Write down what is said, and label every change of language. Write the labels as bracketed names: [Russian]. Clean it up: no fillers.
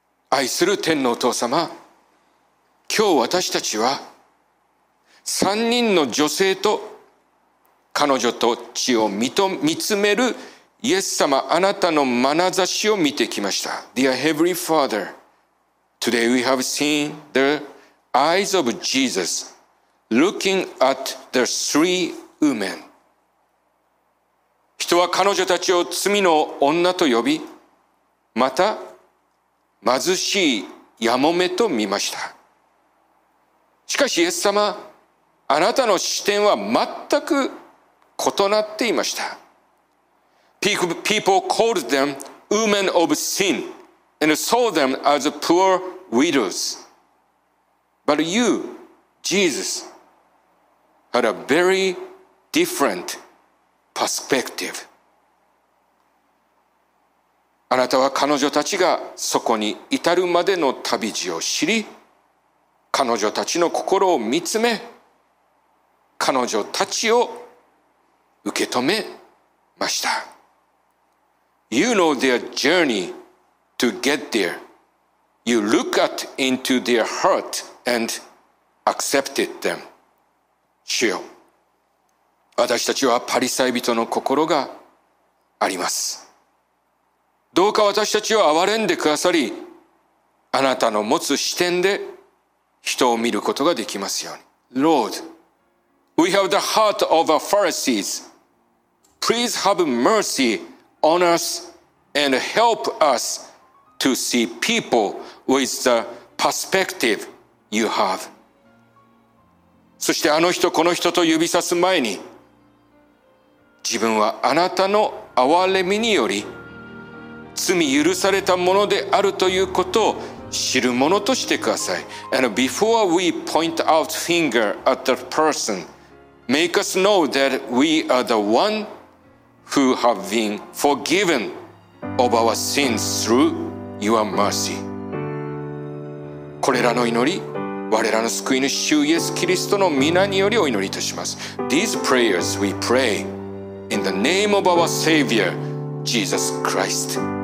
[Japanese] 愛する天のお父様、今日私たちは三人の女性と彼女たちを見つめるイエス様、あなたの眼差しを見てきました。 [English] Dear Heavenly Father, today we have seen the eyes of JesusLooking at the three women. [Japanese] 人は彼女たちを罪の女と呼び、また貧しいやもめと見ました。しかしイエス様、あなたの視点は全く異なっていました。 [English] People called them women of sin and saw them as poor widows. But you, Jesus,had a very different perspective. [Japanese] あなたは彼女たちがそこに至るまでの旅路を知り、彼女たちの心を見つめ、彼女たちを受け止めました。 [English] You know their journey to get there. You look at into their heart and accepted them. [Japanese] 主よ、私たちはパリサイ人の心があります。どうか私たちを憐れんでくださり、あなたの持つ視点で人を見ることができますように。 [English] Lord, we have the heart of a Pharisees. Please have mercy on us and help us to see people with the perspective you have. [Japanese] そしてあの人この人と指さす前に、自分はあなたの憐れみにより罪許されたものであるということを知るものとしてください。 [English] And before we point out finger at the person, make us know that we are the one who have been forgiven of our sins through your mercy. [Japanese] これらの祈り、我らの救い主イエス・キリストの御名によりお祈りいたします。 [English] These prayers we pray in the name of our Savior, Jesus Christ.